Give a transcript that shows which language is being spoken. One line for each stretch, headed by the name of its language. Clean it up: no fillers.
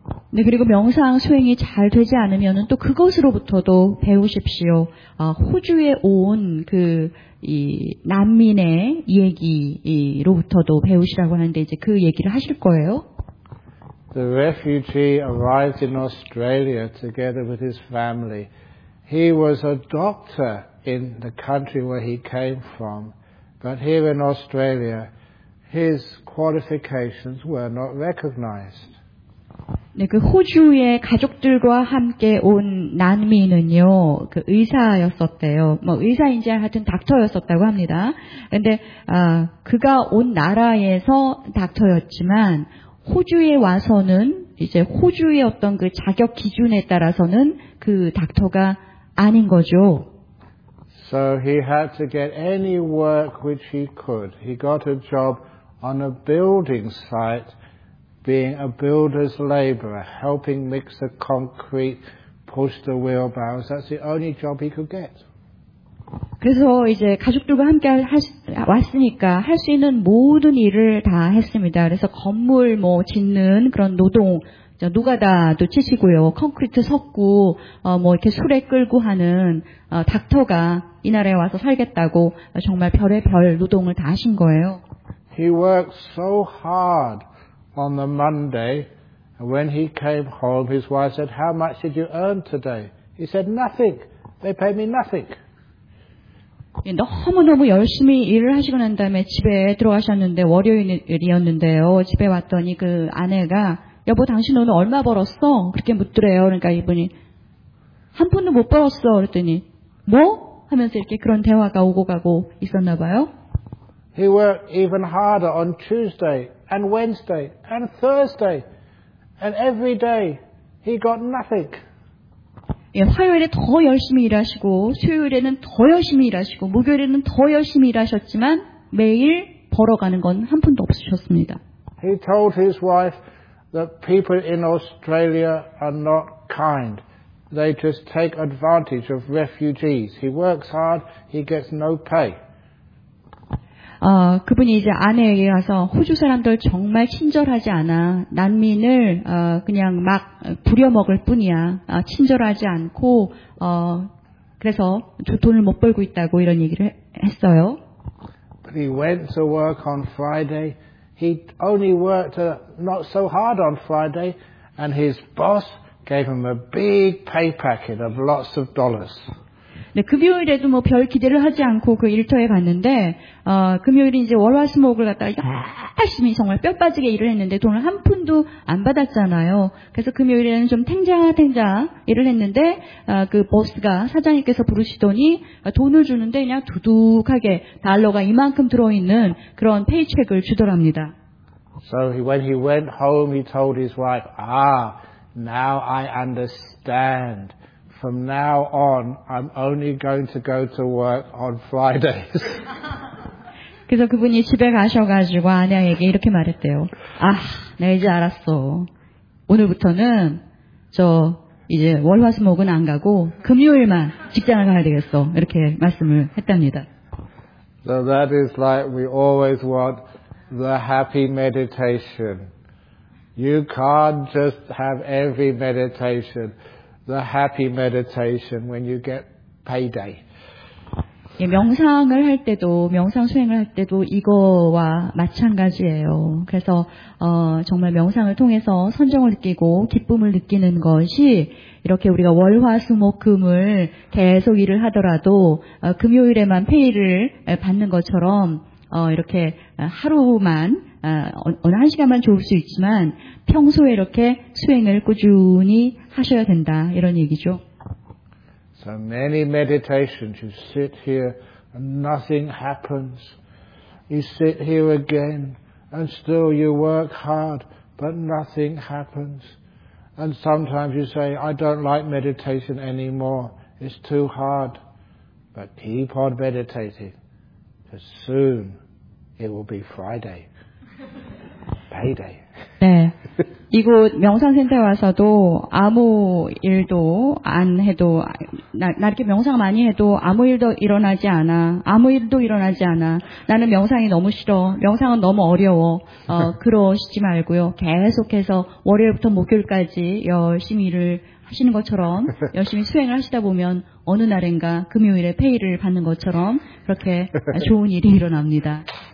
Korean: 네, 그리고 명상 수행이 잘 되지 않으면은 또 그것으로부터도 배우십시오. 호주에 온 그 이 난민의 얘기로부터도 배우시라고 하는데 이제 그 얘기를 하실 거예요.
English: The refugee arrived in Australia together with his family. He was a doctor in the country where he came from, but here in Australia, his qualifications were not recognized.
Korean: 네, 그 호주의 가족들과 함께 온 난민은요, 그 의사였었대요. 뭐 의사인지 하여튼 닥터였었다고 합니다. 근데 그가 온 나라에서 닥터였지만 호주에 와서는 이제 호주의 어떤 그 자격 기준에 따라서는 그 닥터가 아닌 거죠.
English: So he had to get any work which he could. He got a job on a building site, being a builder's laborer, helping mix the concrete, push the wheelbarrows. That's the only job he could get.
Korean: 그래서 이제 가족들과 함께 왔으니까 할 수 있는 모든 일을 다 했습니다. 그래서 건물 뭐 짓는 그런 노동, 노가다도 치시고요. 콘크리트 섞고 뭐 이렇게 수레 끌고 하는 닥터가 이 나라에 와서 살겠다고 정말 별의별 노동을 다 하신 거예요.
English: He worked so hard on the Monday. When he came home, his wife said, "How much did you earn today?" He said, "Nothing. They paid me nothing."
Korean: 너무너무 열심히 일을 하시고 난 다음에 집에 들어가셨는데 월요일이었는데요. 집에 왔더니 그 아내가 여보 당신 오늘 얼마 벌었어? 그렇게 묻더래요. 그러니까 이분이 한 푼도 못 벌었어. 그랬더니 뭐? 하면서 이렇게 그런 대화가 오고 가고 있었나 봐요.
English: He worked even harder on Tuesday and Wednesday and Thursday and every day he got nothing.
Korean: 예, 화요일에 더 열심히 일하시고 수요일에는 더 열심히 일하시고 목요일에는 더 열심히 일하셨지만 매일 벌어가는 건 한 푼도 없으셨습니다.
English: He told his wife that people in Australia are not kind. They just take advantage of refugees. He works hard, he gets no pay.
Korean: 그분이 이제 아내에게 가서 호주 사람들 정말 친절하지 않아. 난민을 그냥 막 부려먹을 뿐이야. 친절하지 않고 그래서 돈을 못 벌고 있다고 이런 얘기를 했어요.
English: But he went to work on Friday. He only worked not so hard on Friday, and his boss gave him a big pay packet of lots of dollars.
Korean: 네, 금요일에도 뭐 별 기대를 하지 않고 그 일터에 갔는데, 금요일이 이제 월화수목을 갖다가 열심히 정말 뼈 빠지게 일을 했는데 돈을 한 푼도 안 받았잖아요. 그래서 금요일에는 좀 탱자탱자 일을 했는데, 그 버스가 사장님께서 부르시더니 돈을 주는데 그냥 두둑하게 달러가 이만큼 들어있는 그런 페이첵을 주더랍니다.
English: So when he went home, he told his wife, "Ah, now I understand. From now on, I'm only going to go to work on Fridays."
Korean: 그래서 그분이 집에 가셔가지고 아내에게 이렇게 말했대요. 아, 내가 이제 알았어. 오늘부터는 저 이제 월화수목은 안 가고 금요일만 직장을 가야 되겠어. 이렇게 말씀을 했답니다.
English: So that is like we always want the happy meditation. You can't just have every meditation. The happy meditation when you get payday.
Korean: 예, 명상을 할 때도 명상 수행을 할 때도 이거와 마찬가지예요. 그래서 정말 명상을 통해서 선정을 느끼고 기쁨을 느끼는 것이 이렇게 우리가 월화수목금을 계속 일을 하더라도 금요일에만 페이를 받는 것처럼 이렇게 하루만 어느 한 시간만 좋을 수 있지만 평소에 이렇게 수행을 꾸준히 하셔야 된다 이런 얘기죠.
English: So many meditations. You sit here and nothing happens. You sit here again and still you work hard, but nothing happens. And sometimes you say, "I don't like meditation anymore. It's too hard." But keep on meditating, because soon it will be Friday. Payday.
Korean: 네. 이곳 명상센터에 와서도 아무 일도 안 해도 나 이렇게 명상 많이 해도 아무 일도 일어나지 않아. 아무 일도 일어나지 않아. 나는 명상이 너무 싫어. 명상은 너무 어려워. 그러시지 말고요. 계속해서 월요일부터 목요일까지 열심히 일을 하시는 것처럼 열심히 수행을 하시다 보면 어느 날인가 금요일에 페이를 받는 것처럼 그렇게 좋은 일이 일어납니다.